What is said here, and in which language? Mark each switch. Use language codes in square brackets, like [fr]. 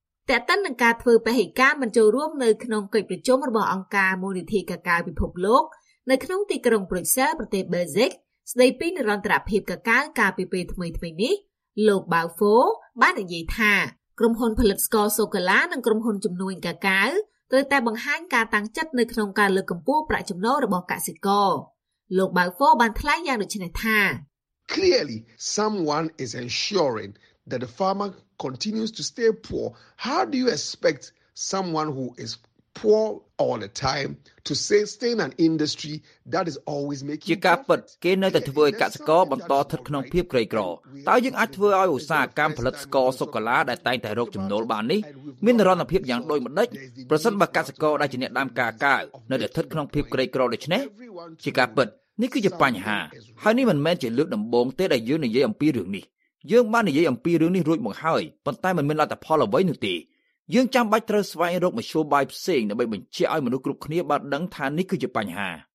[km] តែតន្ននឹងការធ្វើពហិការមិនចូលរួមនៅក្នុងកិច្ចប្រជុំរបស់អង្គការមូលនិធិកាកាវពិភពលោកនៅក្នុងទីក្រុងប្រ៊ុចសែលប្រទេសបែលហ្សិកស្ដីពីនិរន្តរភាពកាកាវកាលពីពេលថ្មីៗនេះលោកបាវហ្វូបាននិយាយថាក្រុមហ៊ុនផលិតស្ករសូកូឡានិងក្រុមហ៊ុនជំនួញកាកាវត្រូវតែបង្ហាញការតាំងចិត្តនៅក្នុងការលើកកម្ពស់ប្រាក់ចំណូលរបស់កសិករលោកបាវហ្វូបានថ្លែងយ៉ាងដូចនេះថា [en] Clearly someone is ensuring that the farmer continues to stay poor. How do you expect someone who is poor all the time to sustain an industry that is always making you got but [km] គេនៅតែធ្វើឲ្យកសិករបន្តស្ថិតក្នុងភាពក្រីក្រតើយើងអាចធ្វើឲ្យឧស្សាហកម្មផលិតស្ករសូកូឡាដែលតែងតែរកចំណូលបាននេះមាននិរន្តរភាពយ៉ាងដូចម្តេចប្រសិនបើកសិករដែលជាអ្នកដាំកាកាវនៅតែស្ថិតក្នុងភាពក្រីក្រដូច្នេះជាការពិតនេះគឺជាបញ្ហាហើយនេះមិនមែនជាលើកដំបូងទេដែលយើងនិយាយអំពីរឿងនេះយើងបាននិយាយអំពីរឿងនេះរួចមកហើយប៉ុន្តែមិនមានលទ្ធផលអ្វីនោះទេយើងចាំបាច់ត្រូវស្វែងរកមធ្យោបាយផ្សេងដើម្បីបញ្ជាក់ឲ្យមនុស្សគ្រប់គ្នាបានដឹងថានេះគឺជាបញ្ហា